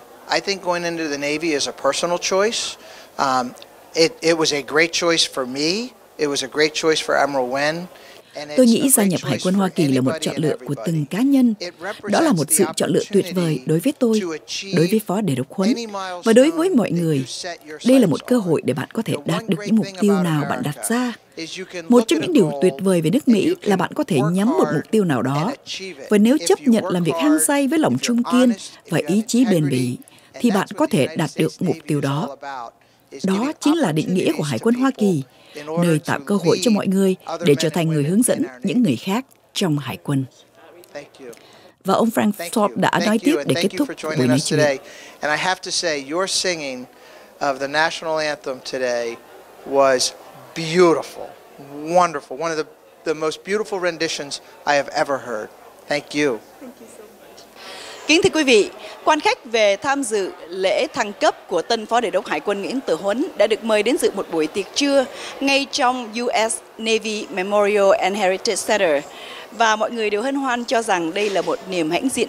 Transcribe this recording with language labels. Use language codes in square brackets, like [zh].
[en] I think going into the Navy is a personal choice. It was a great choice for me. It was a great choice for Admiral Nguyễn. [vi] Tôi nghĩ gia nhập Hải quân Hoa Kỳ là một chọn lựa của từng cá nhân. Đó là một sự chọn lựa tuyệt vời đối với tôi, đối với Phó Đề đốc Huấn và đối với mọi người. Đây là một cơ hội để bạn có thể đạt được những mục tiêu nào bạn đặt ra. Một trong những điều tuyệt vời về nước Mỹ là bạn có thể nhắm một mục tiêu nào đó. Và nếu chấp nhận làm việc hăng say với lòng trung kiên và ý chí bền bỉ, thì bạn có thể đạt được mục tiêu đó. Đó chính là định nghĩa của Hải quân Hoa Kỳ, nơi tạo cơ hội cho mọi người để trở thành người hướng dẫn những người khác trong Hải quân. Và ông Frank Thorpe đã nói tiếp để kết thúc buổi nói chuyện. [en] And I have to say, your singing of the national anthem today was beautiful, wonderful, one of the most beautiful renditions I have ever heard. Thank you. [vi] Kính thưa quý vị, quan khách về tham dự lễ thăng cấp của tân Phó Đề đốc Hải quân Nguyễn Tử Huấn đã được mời đến dự một buổi tiệc trưa ngay trong US Navy Memorial and Heritage Center. Và mọi người đều hân hoan cho rằng đây là một niềm hãnh diện chung cho người Mỹ gốc Việt cũng như người Việt khắp nơi.